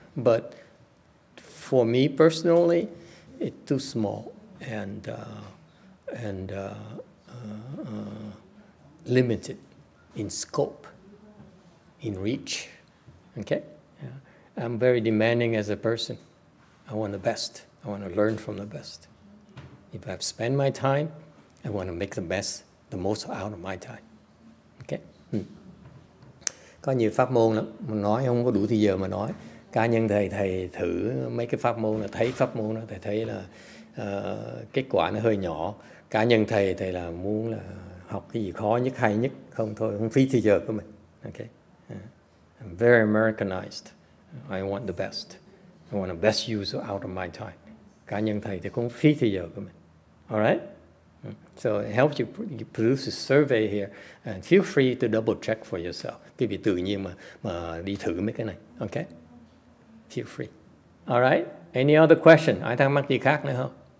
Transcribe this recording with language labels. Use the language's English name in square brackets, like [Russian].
[English] But for me personally, it's too small and limited in scope, in reach. Okay? Yeah. I'm very demanding as a person. I want the best. I want to learn from the best. If I've spent my time, I want to make the best, the most out of my time. Okay? [Vietnamese] Có nhiều pháp môn lắm, mà nói không có đủ thời giờ mà nói. Cá nhân thầy thử mấy cái pháp môn, thấy pháp môn đó, thầy thấy là kết quả nó hơi nhỏ. Cá nhân thầy là muốn là học cái gì khó nhất, hay nhất, không thôi, không phí thời giờ của mình. [English] Okay? Yeah. I'm very Americanized. I want the best. I want the best use out of my time. [Vietnamese] Cá nhân thầy thì cũng phí thời giờ của mình. [English] All right? So it helps you produce a survey here. And feel free to double check for yourself. [Vietnamese] Cái vị tự nhiên mà đi thử mấy cái này. [English] Okay? Feel free. All right? Any other question? [Vietnamese] Ai thắc mắc gì khác nữa không?